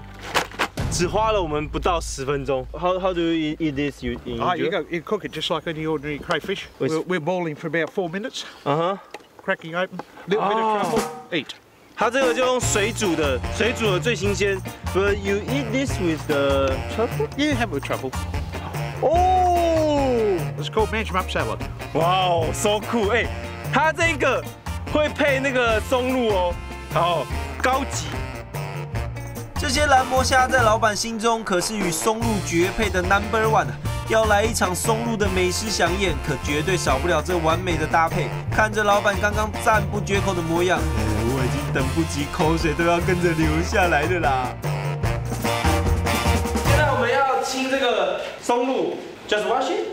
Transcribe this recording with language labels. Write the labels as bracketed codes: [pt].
[zh] 澳洲人为了让生态资源永续发展，都会不断的强调要将小的或是母的放回去，让它们继续成长繁衍，如此才能生生不息，让往后的10年、20年都还是有这些美味可以享用哦。这一大笼只花了我们不到10分钟。 [en] How do you eat this? You cook it just like any ordinary crayfish. We're boiling for about 4 minutes. Cracking open, little bit of crumble, eat. [zh] 它这个就用水煮的，水煮的最新鲜。 [en] But you eat this with the truffle? Yeah, have a truffle. Oh! It's called manchmal salad. Wow, so cool. [zh] 它这个会配那个松露哦，好高级。这些蓝魔虾在老板心中可是与松露绝配的 number one，要来一场松露的美食飨宴，可绝对少不了这完美的搭配。看着老板刚刚赞不绝口的模样，我已经等不及，口水都要跟着流下来的啦。现在我们要清这个松露 ， just brush